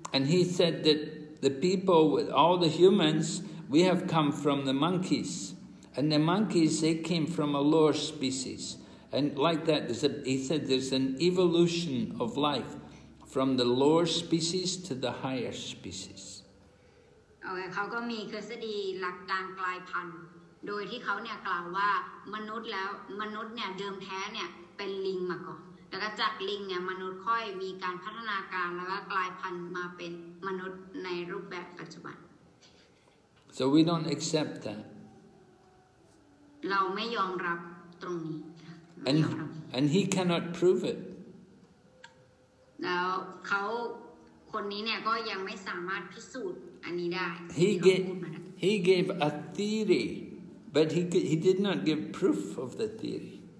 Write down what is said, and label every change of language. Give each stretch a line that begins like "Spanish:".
English: And he said that the people with all the humans we have come from the monkeys and the monkeys they came from a lower species and like that there's an evolution of life from the lower species to the higher species
Thai: โอเคเขาก็มีคือเสด็จหลักการกลายพันธุ์โดยที่เขาเนี่ยกล่าวว่ามนุษย์แล้วมนุษย์เนี่ยเดิมแท้เนี่ยเป็นลิงมาก่อนแล้วก็จากลิงเนี่ยมนุษย์ค่อยมีการพัฒนาการแล้วก็กลายพันธุ์มาเป็นมนุษย์ในรูปแบบปัจจุบัน
English: So we don't accept that
Thai: เราไม่ยอมรับตรงนี้
English: And he cannot prove it
Thai: แล้วเขาคนนี้เนี่ยก็ยังไม่สามารถพิสูจน์อันนี้ได้
English: He gave a theory but he did not give proof of the theory